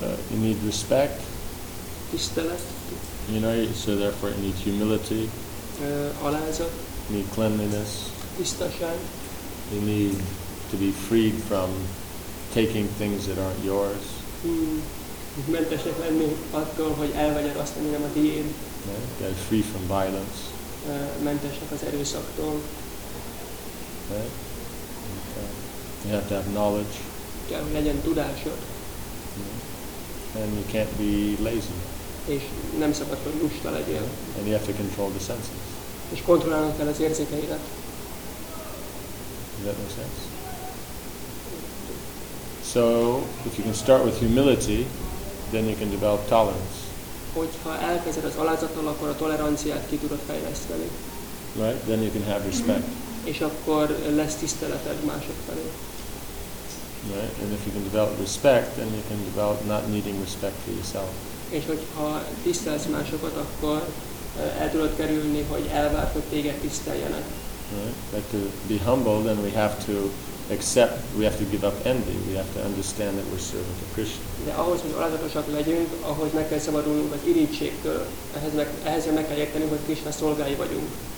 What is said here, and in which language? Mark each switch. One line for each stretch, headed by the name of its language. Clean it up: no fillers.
English: You need respect.
Hungarian: Tisztelet.
English: You know, so therefore you need humility.
Hungarian: Alázat.
English: You need cleanliness.
Hungarian: Tisztaság.
English: You need to be freed from taking things that aren't yours.
Hungarian: Mentesek lenni attól, hogy elvegyed azt, ami nem a tiéd.
English: Get free from violence.
Hungarian: Mentesek az erőszaktól.
English: You have to have knowledge.
Hungarian: Kell, hogy legyen tudásod.
English: And you can't be lazy.
Hungarian: És nem szabad, hogy lusta legyél.
English: And you have to control the senses.
Hungarian: És kontrollálni kell az érzékeidet.
English: Does that make sense? So, if you can start with humility, then you can develop tolerance.
Hungarian: Hogyha elkezded az alázattal, akkor a toleranciát ki tudod fejleszteni.
English: Right? Then you can have respect.
Hungarian: És akkor lesz tiszteleted mások felé.
English: Right? And if you can develop respect, then you can develop not needing respect for yourself.
Hungarian: És hogyha tisztelsz másokat, akkor el tudod kerülni, hogy elvárt, hogy téged tiszteljenek.
English: Right? But to be humble, then we have to except we have to give up envy. We have to understand that we're servant of Krishna.
Hungarian: De ahhoz, hogy alázatosak legyünk, ahhoz meg kell szabadulnunk az irigységtől. Ehhez meg kell értenünk, hogy Krishna szolgái vagyunk.